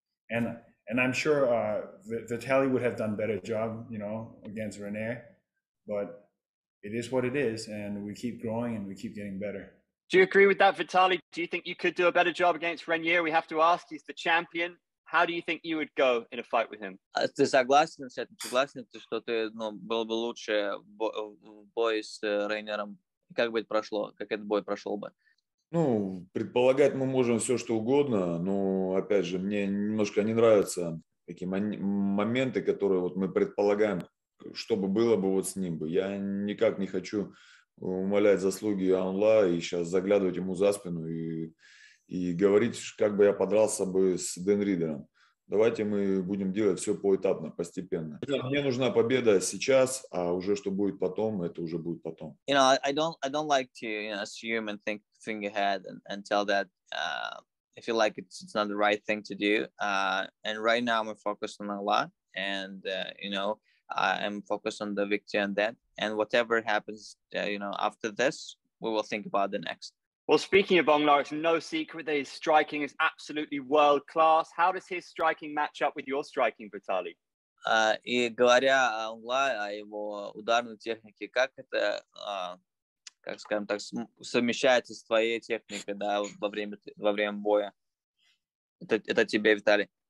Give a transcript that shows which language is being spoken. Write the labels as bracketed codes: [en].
[en] And I'm sure Vitaly would have done a better job, you know, against Reynier. But it is what it is, and we keep growing and we keep getting better. Do you agree with that, Vitaly? Do you think you could do a better job against Reynier? We have to ask, he's the champion. How do you think you would go in a fight with him? [ru] Ты согласен с этим? Согласен, что ты, ну, был бы лучше в бою с Рейнером? Как бы это прошло? Как этот бой прошел бы? Ну, предполагать мы можем все, что угодно, но, опять же, мне немножко не нравятся такие моменты, которые вот мы предполагаем, что бы было бы вот с ним бы. Я никак не хочу умалять заслуги Aung La и сейчас заглядывать ему за спину и говорить, как бы я подрался бы с Ден Ридером. Давайте мы будем делать все поэтапно, постепенно. Мне нужна победа сейчас, а уже что будет потом, это уже будет потом. [en] You know, I don't like to, you know, assume and think ahead and tell that I feel like it's not the right thing to do. And right now I'm focused on a lot, and you know, I'm focused on the victory and that. And whatever happens, you know, after this, we will think about the next. Well, speaking of Aung La, it's no secret that his striking is absolutely world class. How does his striking match up with your striking, Vitaly? [ru] И говоря о Aung La, о его ударной технике, как это, как скажем так, совмещается с твоей техникой, да, во время боя? Это тебе, Vitaly.